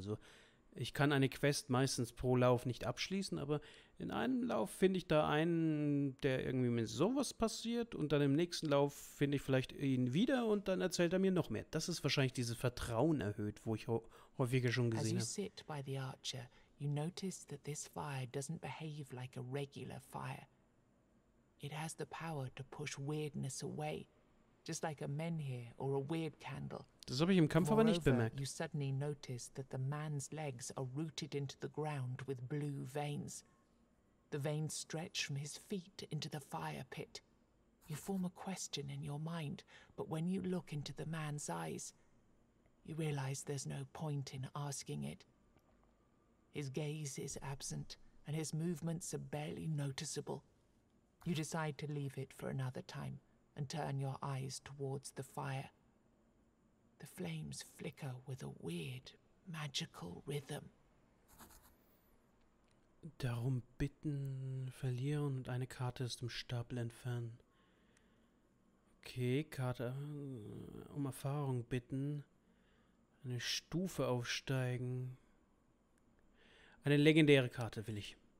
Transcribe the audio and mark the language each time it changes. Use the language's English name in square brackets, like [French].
[German] Also ich kann eine Quest meistens pro Lauf nicht abschließen, aber in einem Lauf finde ich da einen, der irgendwie mit sowas passiert und dann im nächsten Lauf finde ich vielleicht ihn wieder und dann erzählt er mir noch mehr. Das ist wahrscheinlich dieses Vertrauen erhöht, wo ich häufiger schon gesehen habe. [English] As you sit by the archer, you notice that this fire doesn't behave like a regular fire. It has the power to push weirdness away. Just like a menhir or a weird candle. [German] Das habe ich im Kampf aber nicht bemerkt. [English] You suddenly notice that the man's legs are rooted into the ground with blue veins. The veins stretch from his feet into the fire pit. You form a question in your mind, but when you look into the man's eyes, you realize there's no point in asking it. His gaze is absent and his movements are barely noticeable. You decide to leave it for another time. And turn your eyes towards the fire. The flames flicker with a weird, magical rhythm. [German] Darum bitten, verlieren und eine Karte aus dem Stapel entfernen. Okay, Karte. Um Erfahrung bitten. Eine Stufe aufsteigen. Eine legendäre Karte will ich.